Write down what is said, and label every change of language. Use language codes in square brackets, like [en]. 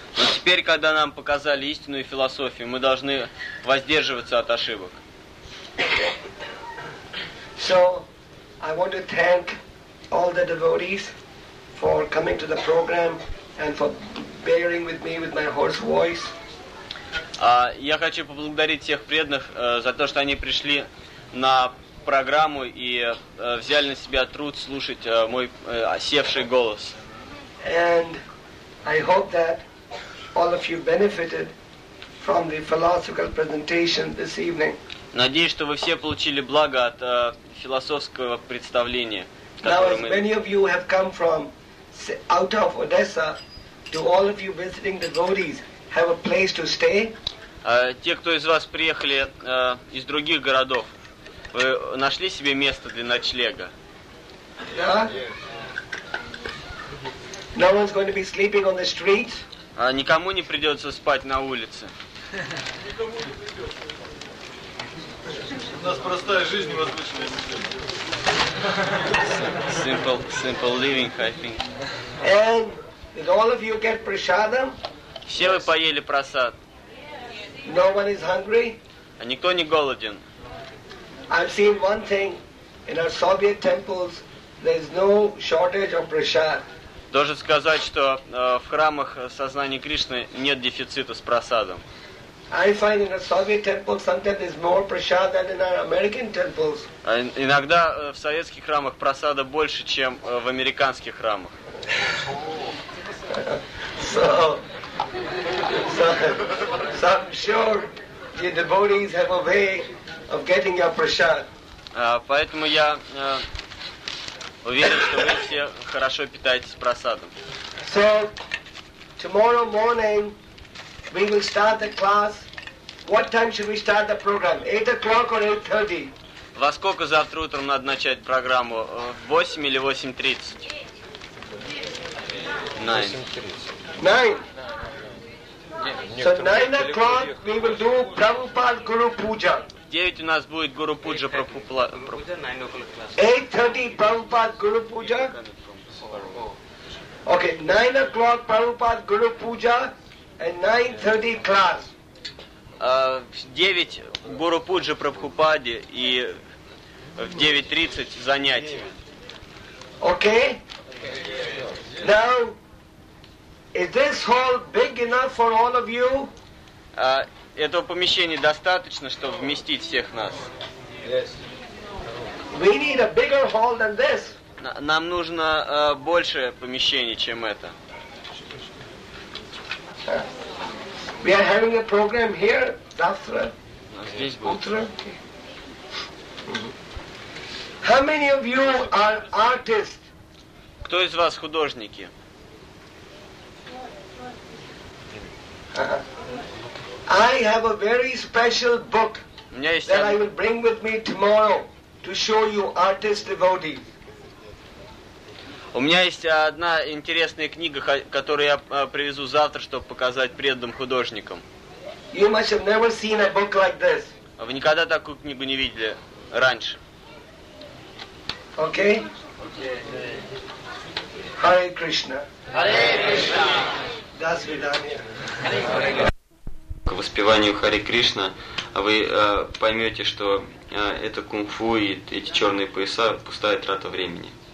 [ru] Но теперь, когда нам показали истинную философию, мы должны воздерживаться от ошибок. [en] So, I want to thank all the devotees for coming to the program and for bearing with me with my hoarse voice. [ru] Я хочу поблагодарить всех преданных за то, что они пришли на программу и взяли на себя труд слушать мой осевший голос. [en] And I hope that all of you benefited from the philosophical presentation this evening. [ru] Надеюсь, что вы все получили благо от философского представления, которое мы... [en] Now, many of you have come from out of Odessa, do all of you visiting devotees have a place to stay? [ru] Те, кто из вас приехали из других городов, вы нашли себе место для ночлега? Да. [en] No one's going to be sleeping on the streets. [ru] Никому не придется спать на улице. У нас простая жизнь невозможная. [en] Simple living, I think. And did all of you get prasadam? [ru] Все вы поели прасад. [en] No one is hungry. [ru] А никто не голоден. [en] I've seen one thing in our Soviet temples. There's no shortage of prasad. [ru] Должен сказать, что в храмах сознания Кришны нет дефицита с прасадом. [en] I find in a Soviet temple sometimes there's more prasad than in our American temples. [ru] Иногда в советских храмах прасада больше, чем в американских храмах. [en] So I'm sure the devotees have a way of getting your prasad. [ru] Поэтому я уверен, что вы все хорошо питаетесь прасадом. [en] So tomorrow morning we will start the class. What time should we start the program? 8 o'clock or 8:30? [ru] Во сколько завтра утром надо начать программу? 8 или 8:30? [en] 9. So 9 o'clock we will do Prabhupada Guru Puja. [ru] 9 у нас будет Guru Puja Prabhupada. [en] 8:30 Prabhupada Guru Puja. Okay, 9 o'clock Prabhupada Guru Puja and 9:30 class. [ru] 9 Гуру Пуджи Прабхупаде и в 9:30 занятие. [en] Okay? Now, is this hall big enough for all of you? [ru] Этого помещения достаточно, чтобы вместить всех нас? [en] We need a bigger hall than this. [ru] Нам нужно большее помещение, чем это. [en] We are having a program here [ru] завтра. Здесь будет. Утро. [en] How many of you are artists? [ru] Кто из вас художники? [en] I have a very special book that I will bring with me tomorrow to show you artist devotees. [ru] У меня есть одна интересная книга, которую я привезу завтра, чтобы показать преданным художникам. [en] You must have never seen a book like this. [ru] Вы никогда такую книгу не видели раньше. [en] Okay? Hare Krishna. Hare Krishna. [ru] До свидания. К воспеванию Хари Кришна вы поймете, что это кунг-фу и эти черные пояса – пустая трата времени.